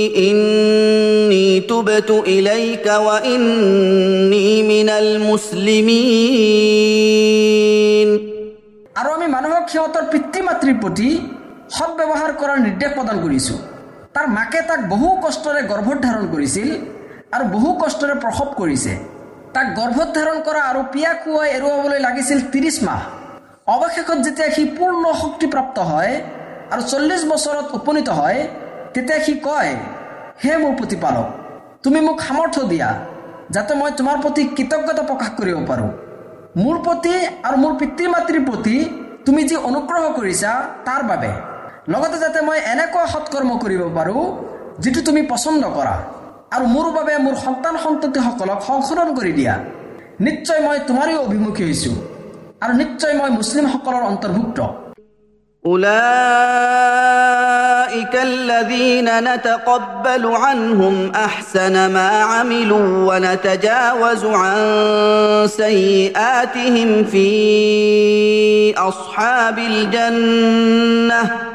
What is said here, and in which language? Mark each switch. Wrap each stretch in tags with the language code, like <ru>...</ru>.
<ar>إني تبت إليك وإني من المسلمين</ar> <as>আৰু আমি মানুহক সিহঁতৰ পিতৃ মাতৃৰ প্ৰতি সদ ব্যৱহাৰ কৰাৰ নিৰ্দেশ প্ৰদান কৰিছো তাৰ মাকে তাক বহু কষ্টৰে গৰ্ভধাৰণ কৰিছিল আৰু বহু কষ্টৰে প্ৰসৱ কৰিছে তাক গৰ্ভধাৰণ কৰা আৰু পিয়া খুৱাই এৰুৱাবলৈ লাগিছিল 30 মাহ অৱশেষত যেতিয়া সি পূৰ্ণ শক্তিপ্ৰাপ্ত হয় আৰু 40 বছৰত উপনীত হয় তেতিয়া সি কয় হে মোৰ প্ৰতিপালক তুমি মোক সামৰ্থ্য দিয়া যাতে মই তোমাৰ প্ৰতি কৃতজ্ঞতা প্ৰকাশ কৰিব পাৰোঁ মোৰ প্ৰতি আৰু মোৰ পিতৃ মাতৃৰ প্ৰতি তুমি যি অনুগ্ৰহ কৰিছা তাৰ বাবে লগতে যাতে মই এনেকুৱা সৎকৰ্ম কৰিব পাৰোঁ যিটো তুমি পচন্দ কৰা আৰু মোৰ বাবে মোৰ সন্তান সন্ততিসকলক সংশোধন কৰি দিয়া নিশ্চয় মই তোমাৰেই অভিমুখী হৈছো আৰু নিশ্চয় মই মুছলিমসকলৰ অন্তৰ্ভুক্ত</as> <ar>أولئك الذين نتقبل عنهم أحسن ما عملوا ونتجاوز عن سيئاتهم في أصحاب الجنة</ar>